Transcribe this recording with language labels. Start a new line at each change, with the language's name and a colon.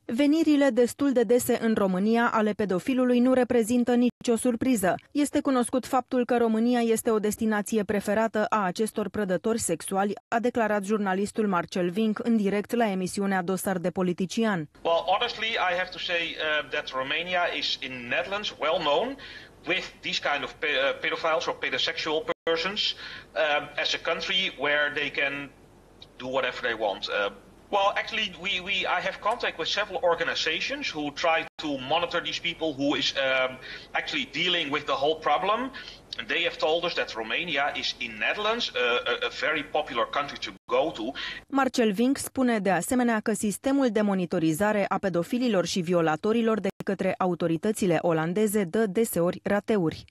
Romanian: Venirile destul de dese în România ale pedofilului nu reprezintă nicio surpriză. Este cunoscut faptul că România este o destinație preferată a acestor prădători sexuali, a declarat jurnalistul Marcel Vinc în direct la emisiunea Dosar de Politician.
English: Well, honestly, I have to say that Romania is in Netherlands well known with these kind of pedophiles or pedosexual persons as a country where they can do whatever they want. Well, actually, I have contact with several organizations who try to monitor these people, who is actually dealing with the whole problem. And they have told us that Romania is in Netherlands, a very popular country to go to.
Romanian: Marcel Vink spune de asemenea că sistemul de monitorizare a pedofililor și violatorilor de către autoritățile olandeze dă deseori rateuri.